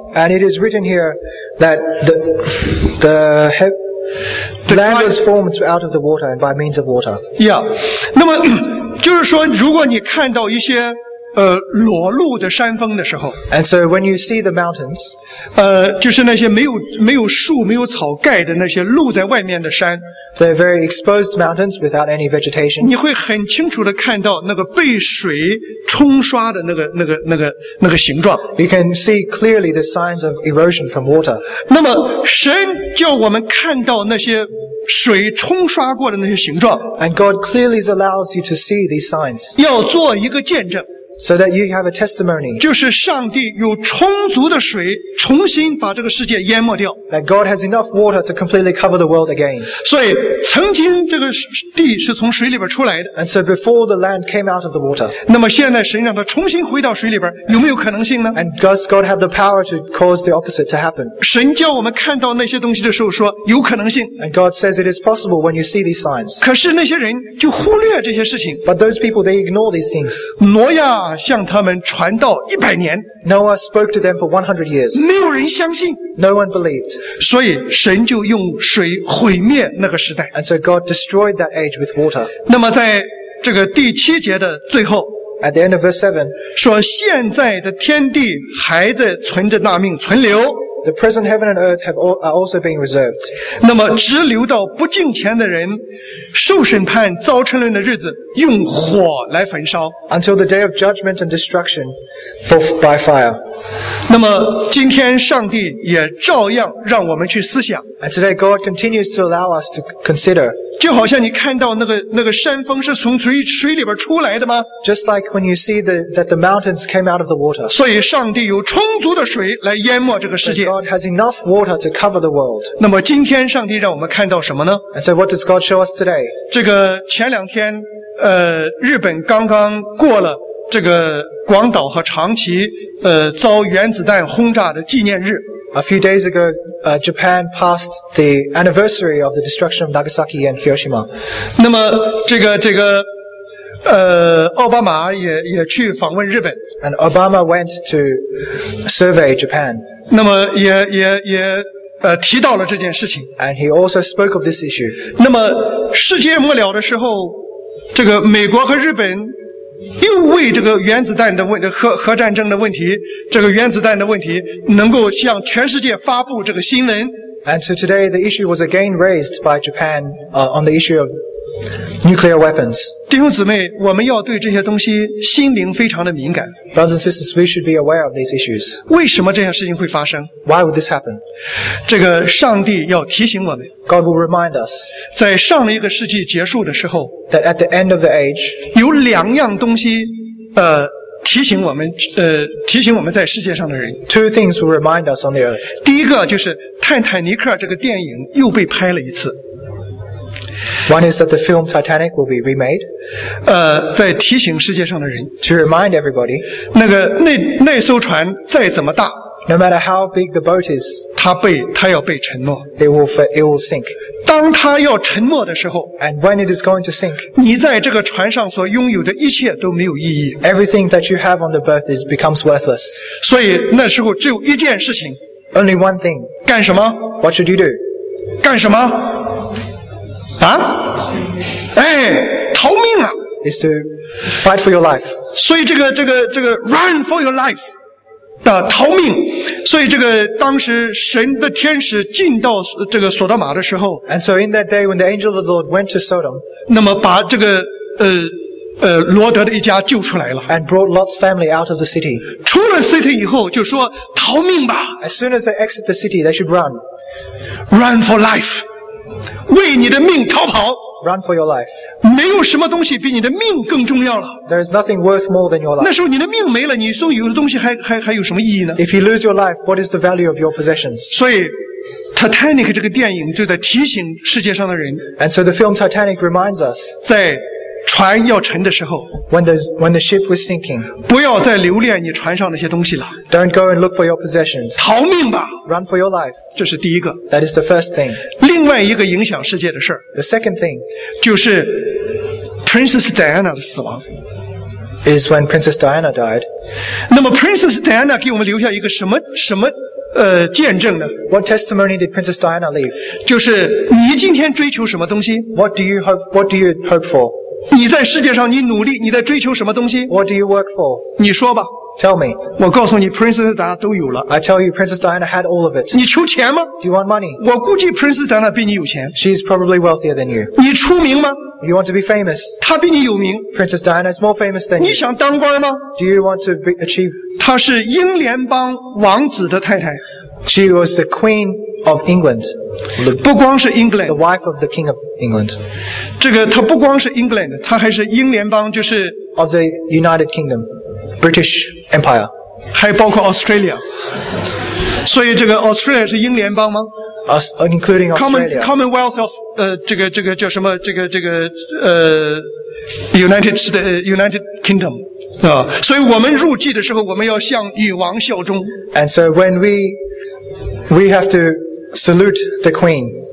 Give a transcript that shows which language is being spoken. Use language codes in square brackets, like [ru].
[en] And it is written here that the land was formed out of the water and by means of water. Yeah. [zh] 那么就是说如果你看到一些裸露的山峰的时候 [en] And so when you see the mountains, [zh] 就是那些没有树没有草盖的那些露在外面的山 [en] They're very exposed mountains without any vegetation. [zh] 你会很清楚地看到那个被水冲刷的那个形状 [en] You can see clearly the signs of erosion from water. [zh] 那么神叫我们看到那些水冲刷过的那些形状 [en] And God clearly allows you to see these signs. [zh] 要做一个见证 [en] So that you have a testimony. [zh] 就是上帝有充足的水重新把这个世界淹没掉。 [en] That God has enough water to completely cover the world again. [zh] 所以曾经这个地是从水里边出来的。 [en] And so before the land came out of the water. [zh] 那么现在神让它重新回到水里边，有没有可能性呢？ [en] And does God have the power to cause the opposite to happen? [zh] 神叫我们看到那些东西的时候说有可能性。 [en] And God says it is possible when you see these signs. [zh] 可是那些人就忽略这些事情。 [en] But those people they ignore these things. [zh] 挪亚向他们传道一百年。 [en] Noah spoke to them for 100 years. [zh] 没有人相信。 [en] No one believed. [zh] 所以神就用水毁灭那个时代。 [en] And so God destroyed that age with water. [zh] 那么在这个第七节的最后。 [en] At the end of verse 7. [zh] 说现在的天地还在存着那命存留。 [en] The present heaven and earth have also been reserved. [zh] 那么直留到不敬虔的人受审判遭沉沦的日子用火来焚烧。 [en] Until the day of judgment and destruction by fire. [zh] 那么今天上帝也照样让我们去思想。 [en] And today God continues to allow us to consider. [zh] 就好像你看到那个山峰是从水里边出来的吗？ [en] Just like when you see that the mountains came out of the water. [zh] 所以上帝有充足的水来淹没这个世界。 [en] God has enough water to cover the world. [zh] 那么今天上帝让我们看到什么呢？ [en] And so what does God show us today? [zh] 这个前两天日本刚刚过了这个广岛和长崎遭原子弹轰炸的纪念日。 [en] A few days ago, Japan passed the anniversary of the destruction of Nagasaki and Hiroshima. [zh] 那么这个奥巴马也去访问日本。 [en] And Obama went to survey Japan. [zh] 那么也提到了这件事情。 [en] And he also spoke of this issue. [zh] 那么世界末了的时候，这个美国和日本又为这个原子弹的问题、核战争的问题，这个原子弹的问题，能够向全世界发布这个新闻。 [en] And so today the issue was again raised by Japan, on the issue of nuclear weapons. [zh] 弟兄姊妹，我们要对这些东西心灵非常的敏感。 [en] Brothers and sisters, we should be aware of these issues. [zh] 为什么这样事情会发生？ [en] Why would this happen? [zh] 这个上帝要提醒我们。 [en] God will remind us. [zh] 在上一个世纪结束的时候。 [en] That at the end of the age. [zh] 有两样东西，提醒我们在世界上的人。 [en] Two things will remind us on the earth. [zh] 第一个就是泰坦尼克这个电影又被拍了一次。 [en] One is that the film Titanic will be remade. [zh] 在提醒世界上的人。 [en] To remind everybody. [zh] 那艘船再怎么大。 [en] No matter how big the boat is. [zh] 它要被沉没。 [en] It will sink. [zh] 当它要沉没的时候。 [en] And when it is going to sink. [zh] 你在这个船上所拥有的一切都没有意义。 [en] Everything that you have on the boat becomes worthless. [zh] 所以那时候只有一件事情。 [en] Only one thing. [zh] 干什么？ [en] What should you do? [zh] 干什么？啊，哎，逃命啊 [en] ！Is to fight for your life. [zh] 所以这个 [en] run for your life [zh] 的逃命。所以这个当时神的天使进到这个索多玛的时候 [en] ，And so in that day when the angel of the Lord went to Sodom， [zh] 那么把这个罗德的一家救出来了 [en] ，And brought Lot's family out of the city。 [zh] 出了 city 以后就说逃命吧 [en] ，As soon as they exit the city, they should run. Run for life. [zh] 为你的命逃跑。 [en] Run for your life. [zh] 没有什么东西比你的命更重要了。 [en] There is nothing worth more than your life. [zh] 那时候你的命没了，你所有的东西还有什么意义呢？ [en] If you lose your life, what is the value of your possessions? [zh] 所以 Titanic 这个电影就在提醒世界上的人。 [en] And so the film Titanic reminds us. [zh] 在船要沉的时候。 [en] When the ship was sinking. [zh] 不要再留恋你船上那些东西了。 [en] Don't go and look for your possessions. [zh] 逃命吧。 [en] Run for your life. [zh] 这是第一个。 [en] That is the first thing. [zh] 另外一个影响世界的事 [en] The second thing [zh] 就是 Princess Diana 的死亡 [en] is when Princess Diana died. [zh] 那么 Princess Diana 给我们留下一个什么见证呢？ [en] What testimony did Princess Diana leave? [zh] 就是你今天追求什么东西？ [en] What do you hope for? [zh] 你在世界上你努力，你在追求什么东西？ [en] What do you work for? [zh] 你说吧。 [en] Tell me. [zh] 我告诉你 Princess Diana 都有了。 [en] I tell you, Princess Diana had all of it. [zh] 你求钱吗？ [en] Do you want money? [zh] 我估计 Princess Diana 比你有钱。 [en] She is probably wealthier than you. [zh] 你出名吗？ [en] You want to be famous? [zh] 她比你有名。 [en] Princess Diana is more famous than you. [zh] 你想当官吗？ [en] Do you want to achieve? [zh] 她是英联邦王子的太太。 [en] She was the queen of England. [zh] 不光是 England, [en] the wife of the King of England. [zh] 这个她不光是 England, 她还是英联邦，就是 [en] of the United Kingdom, British Empire. [zh] 还包括 Australia. 所以这个 Australia 是英联邦吗？ [en] Including Australia. Commonwealth of, [zh] 这个叫什么，这个United Kingdom. 所以我们入祭的时候，我们要向女王效忠。 [en] And so when we have to salute the queen.